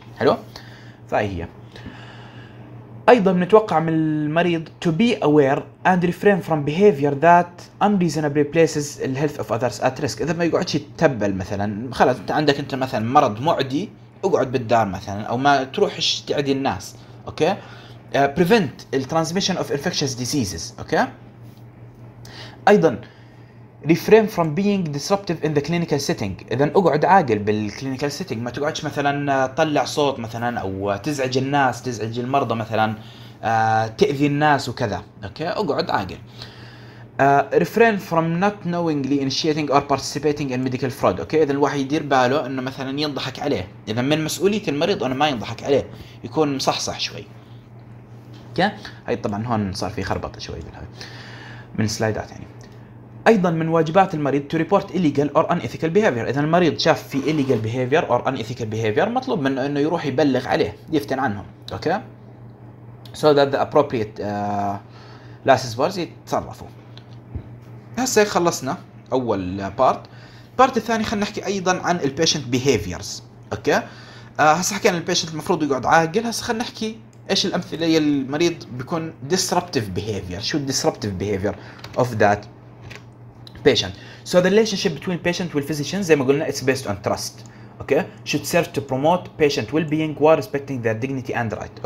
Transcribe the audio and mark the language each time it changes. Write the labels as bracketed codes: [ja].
[ar] حلو؟ فهي هي ايضا نتوقع من المريض [en] to be aware and refrain from behavior that unreasonably places the health of others at risk. [ar] اذا ما يقعدش يتبل مثلا، خلاص انت عندك انت مثلا مرض معدي اقعد بالدار مثلا او ما تروحش تعدي الناس. [en] Okay prevent the transmission of infectious diseases. Okay [ar] ايضا [en] refrain from being disruptive in the clinical setting. [ar] اذا اقعد عاقل بالكلينيكال سيتنج، ما تقعدش مثلا تطلع صوت مثلا او تزعج الناس، تزعج المرضى مثلا، تاذي الناس وكذا. اوكي اقعد عاقل. [en] refrain from not knowingly initiating or participating in medical fraud. [ar] اوكي اذا الواحد يدير باله انه مثلا ينضحك عليه، اذا من مسؤوليه المريض انه ما ينضحك عليه، يكون مصحصح شوي. اوكي هاي طبعا هون صار في خربطه شوي بالهاي من سلايدات يعني. ايضا من واجبات المريض [en] to report illegal or unethical behavior. [ar] اذا المريض شاف في [en] illegal behavior or unethical behavior [ar] مطلوب منه انه يروح يبلغ عليه يفتن عنهم. [en] okay so that the appropriate last words [ar] يتصرفوا. هسه خلصنا اول part. part الثاني خلنا نحكي ايضا عن [en] the patient behaviors. [ar] اوكي هسه حكينا the patient المفروض يقعد عاقل، هسه خلنا نحكي ايش الامثلة اللي المريض بيكون [en] disruptive behavior. [ar] شو [en] disruptive behavior of that patient. So the relationship between patient and physician [ar] زي ما قلنا [en] it's based on trust. Okay? Should serve to promote patient well-being while respecting their dignity and right.